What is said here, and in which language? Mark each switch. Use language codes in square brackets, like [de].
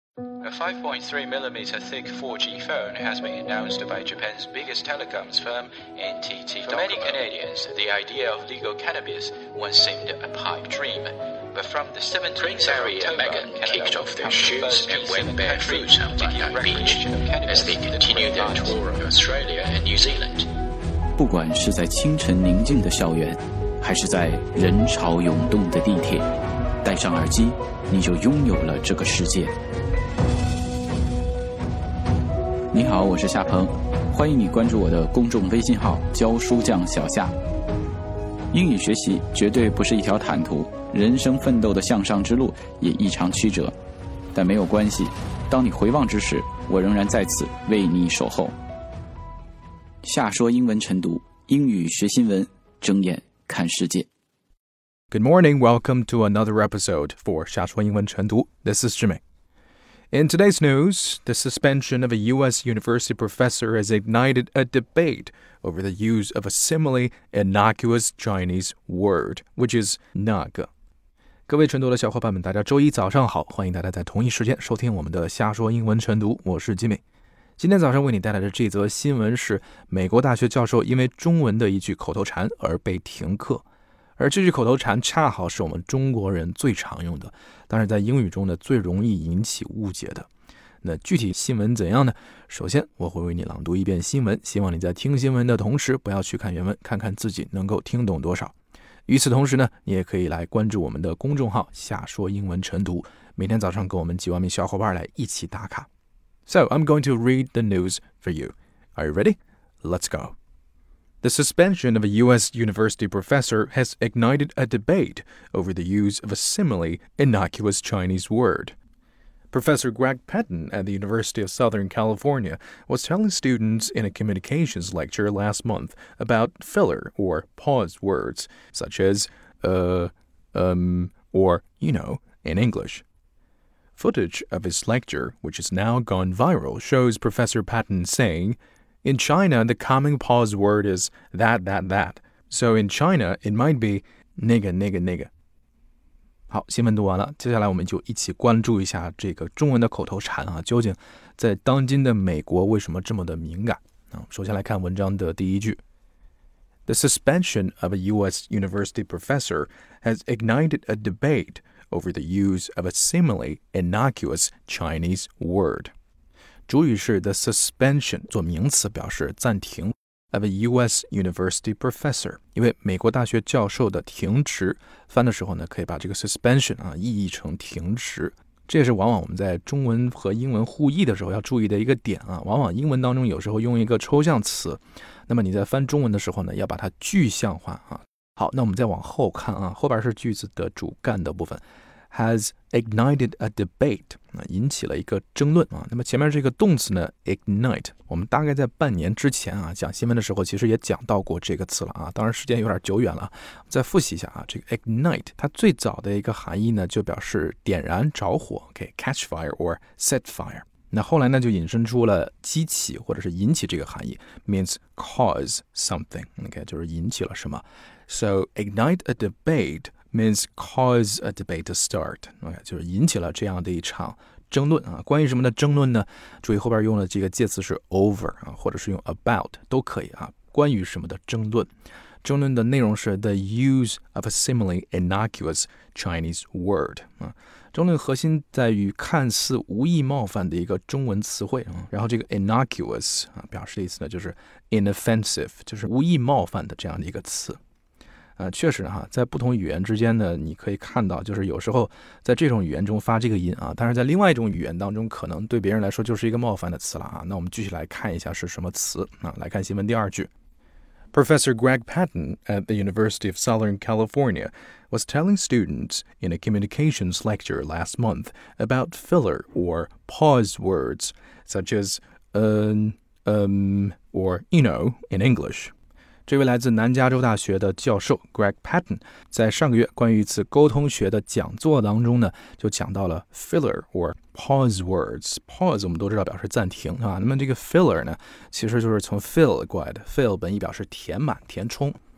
[en] A 5.3mm thick 4G phone has been announced by Japan's biggest telecoms firm, NTT Docomo. For many Canadians, the idea of legal cannabis once seemed a pipe dream. But from the 17th of October, Megan kicked off their shoes and went barefoot on Bondi Beach as they continued their tour of Australia and New Zealand. [zh] 不管是在清晨宁静的校园，还是在人潮涌动的地铁，戴上耳机，你就拥有了这个世界。你好，我是夏鹏，欢迎你关注我的公众微信号“教书匠小夏”。英语学习绝对不是一条坦途，人生奋斗的向上之路也异常曲折，但没有关系，当你回望之时，我仍然在此为你守候。夏说英文晨读，英语学新闻，睁眼看世界。 [en] Good morning, welcome to another episode for 夏说英文晨读。 This is Jimmy. In today's news, the suspension of a U.S. university professor has ignited a debate over the use of a similarly innocuous Chinese word, which is [zh] 那个。各位晨读的小伙伴们，大家周一早上好，欢迎大家在同一时间收听我们的夏说英文晨读，我是 Jimmy。今天早上为你带来的这则新闻是美国大学教授因为中文的一句口头禅而被停课，而这句口头禅恰好是我们中国人最常用的，但是在英语中呢最容易引起误解的。那具体新闻怎样呢？首先我会为你朗读一遍新闻，希望你在听新闻的同时不要去看原文，看看自己能够听懂多少。与此同时呢，你也可以来关注我们的公众号夏说英文晨读，每天早上跟我们几万名小伙伴来一起打卡。 [en] So, I'm going to read the news for you. Are you ready? Let's go. The suspension of a U.S. university professor has ignited a debate over the use of a similarly innocuous Chinese word. Professor Greg Patton at the University of Southern California was telling students in a communications lecture last month about filler or pause words, such as, or, you know, in English. Footage of his lecture, which has now gone viral, shows Professor Patton saying, In China, the common pause word is that, that, that. So in China, it might be [zh] 那个那个那个。好，新闻读完了，接下来我们就一起关注一下这个中文的口头禅啊，究竟在当今的美国为什么这么的敏感啊？首先来看文章的第一句。 [en] The suspension of a U.S. university professor has ignited a debate. Over the use of a similarly innocuous Chinese word. [zh] 主语是 the suspension, 做名词表示暂停 [en] of a U.S. university professor. [zh] 因为美国大学教授的停职翻的时候呢可以把这个 suspension 啊意译成停职。这也是往往我们在中文和英文互译的时候要注意的一个点啊。往往英文当中有时候用一个抽象词，那么你在翻中文的时候呢要把它具象化啊。好，那我们再往后看啊，后边是句子的主干的部分 ， [en] has ignited a debate， [zh] 引起了一个争论啊。那么前面这个动词呢 ，ignite， 我们大概在半年之前啊讲新闻的时候，其实也讲到过这个词了啊。当然时间有点久远了，再复习一下啊，这个 ignite 它最早的一个含义呢，就表示点燃、着火 ，okay， [en] catch fire or set fire。 [zh] 那后来呢就引申出了激起或者是引起这个含义 ， [en] means cause something， [zh] okay， 就是引起了什么。 So, ignite a debate means cause a debate to start. Okay, 就是引起了这样的一场争论、啊、关于什么的争论呢？注意后边用的这个介词是 over、啊、或者是用 about 都可以、啊、关于什么的争论。争论的内容是 [en] the use of a similarly innocuous Chinese word.、 [zh] 啊、争论核心在于看似无意冒犯的一个中文词汇、啊、然后这个 innocuous、啊、表示的意思呢就是 inoffensive， 就是无意冒犯的这样的一个词。确实哈，在不同语言之间呢，你可以看到，就是有时候在这种语言中发这个音啊，但是在另外一种语言当中，可能对别人来说就是一个冒犯的词了啊。那我们继续来看一下是什么词啊。来看新闻第二句 [en] ，Professor Greg Patton at the University of Southern California was telling students in a communications lecture last month about filler or pause words such as or you know in English. [zh] 这位来自南加州大学的教授 Greg Patton 在上个月关于一次沟通学的讲座当中呢，就讲到了 [en] filler or pause words。 [zh] pause 我们都知道表示暂停啊，那么这个 filler 呢，其实就是从 fill 过来的。fill 本意表示填满、填充。